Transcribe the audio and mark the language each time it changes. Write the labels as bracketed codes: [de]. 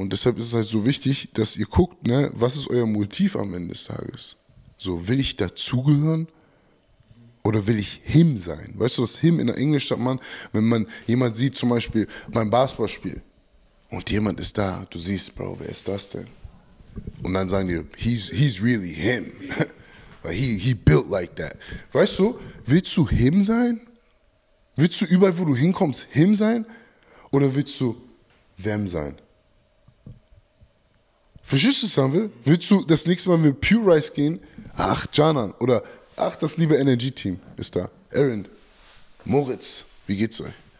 [de] Und deshalb ist es halt so wichtig, dass ihr guckt, ne, was ist euer Motiv am Ende des Tages? So, will ich dazugehören? Oder will ich him sein? Weißt du, was him in der Englisch sagt, man, wenn man jemand sieht, zum Beispiel beim Basketballspiel, und jemand ist da, du siehst, Bro, wer ist das denn? Und dann sagen die, [en] he's really him. he built like that. [de] Weißt du, willst du him sein? Willst du überall, wo du hinkommst, him sein? Oder willst du them sein? Verstehst du, was ich sagen will? Willst du das nächste Mal mit Pure Rice gehen? Ach, Janan. Oder ach, das liebe Energy-Team ist da. Aaron, Moritz, wie geht's euch?